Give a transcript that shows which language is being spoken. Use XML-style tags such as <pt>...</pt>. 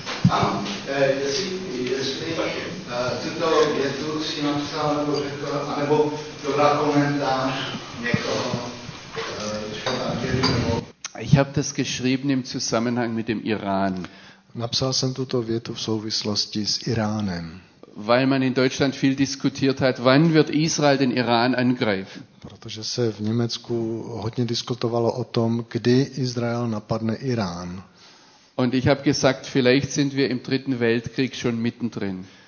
<cs>Ano, jestli tuto větu si napsal nebo řekl, anebo dobrá komentář někoho, třeba děli nebo...</cs> <de>Ich habe das geschrieben im Zusammenhang mit dem Iran.</de> <cs>Napsal jsem tuto větu v souvislosti s Iránem.</cs> <de>Weil man in Deutschland viel diskutiert hat, wann wird Israel den Iran angreifen?</de> <cs>Protože se v Německu hodně diskutovalo o tom, kdy Izrael napadne Irán.</cs> <de>Und ich habe gesagt, vielleicht sind wir im dritten Weltkrieg schon mittendrin.</de>